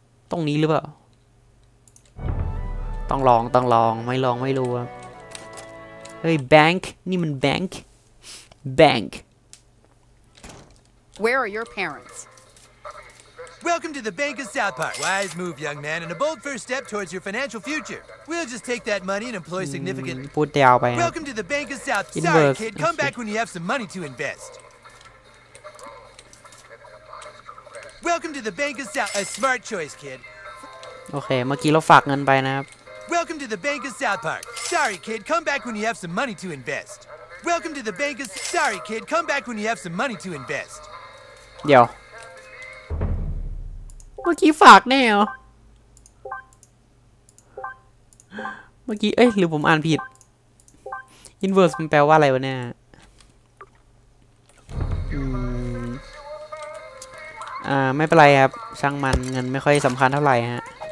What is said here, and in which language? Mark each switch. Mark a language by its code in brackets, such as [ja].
[th] ตรงนี้หรือเปล่าต้องลองไม่ลองไม่รู้เฮ้ย Bank นี่มัน Bank [en] Where are your parentsWelcome to the Bank of South Park. Wise move, young man, and a bold first step towards your financial future. We'll just take that money and employ significant. Welcome to the Bank of South. Sorry, kid. Come back when you have some money to invest. Welcome to the Bank of South. A smart choice, kid. Okay, [th] เมื่อกี้เราฝากเงินไปนะครับ [en] Welcome to the Bank of South Park. Sorry, kid. Come back when you have some money to invest. Welcome to the Bank of. Sorry, kid. Come back when you have some money to invest. [th] เดี๋ยวเมื่อกี้ฝากแน่เหรอเมื่อกี้เอ้ยหรือผมอ่านผิด inverse มันแปลว่าอะไรวะเนี่ยไม่เป็นไรครับช่างมันเงินไม่ค่อยสำคัญเท่าไหร่ฮะ